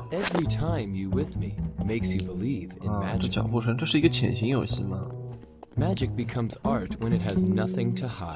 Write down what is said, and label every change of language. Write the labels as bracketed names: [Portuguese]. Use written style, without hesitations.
[English] Every time you with me makes you believe in magic. [Chinese] 这脚步声，这是一个潜行游戏吗？ [English] Magic becomes art when it has nothing to hide.